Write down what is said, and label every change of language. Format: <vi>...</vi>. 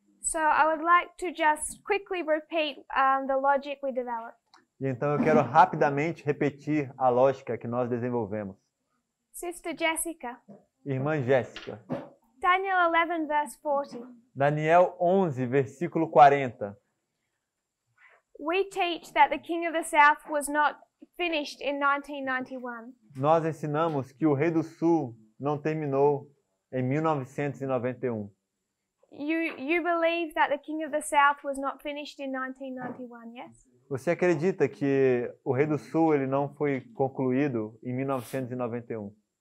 <en>So I would like to just quickly repeat the logic we developed.</en> <pt>E então eu quero rapidamente repetir a lógica que nós desenvolvemos.</pt> <en>Sister Jessica.</en> <pt>Irmã Jessica.</pt> <en>Daniel 11, verse 40.</en> <pt>Daniel 11, versículo 40.</pt> <en>We teach that the king of the south was not finished in 1991.</en> <pt>Nós ensinamos que o rei do sul não terminou em 1991.</pt> <en>You believe that the king of the south was not finished in 1991, yes?</en> <pt>Você acredita que o rei do sul ele não foi concluído em 1991?</pt>